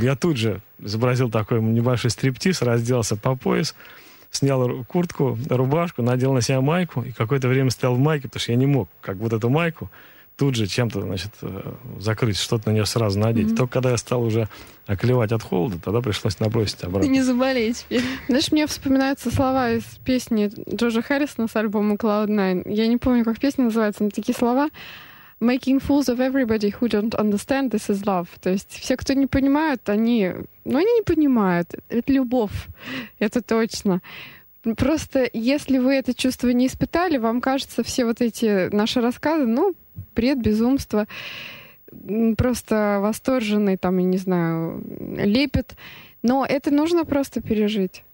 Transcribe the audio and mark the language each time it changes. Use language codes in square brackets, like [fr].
[ru] Я тут же изобразил такой небольшой стриптиз, разделся по пояс, снял куртку, рубашку, надел на себя майку, и какое-то время стоял в майке, потому что я не мог как вот эту майку тут же чем-то, значит, закрыть, что-то на нее сразу надеть. Mm-hmm. Только когда я стал уже околевать от холода, тогда пришлось набросить обратно. И не заболей теперь. Знаешь, мне вспоминаются слова из песни Джорджа Харрисона с альбома Cloud Nine. Я не помню, как песня называется, но такие слова. [en] Making fools of everybody who don't understand this is love. [ru] То есть все, кто не понимают, они... Ну, они не понимают. Это любовь. Это точно. Просто если вы это чувство не испытали, вам кажется, все вот эти наши рассказы, ну, бред, безумство, просто восторженный, там, я не знаю, лепет. Но это нужно просто пережить.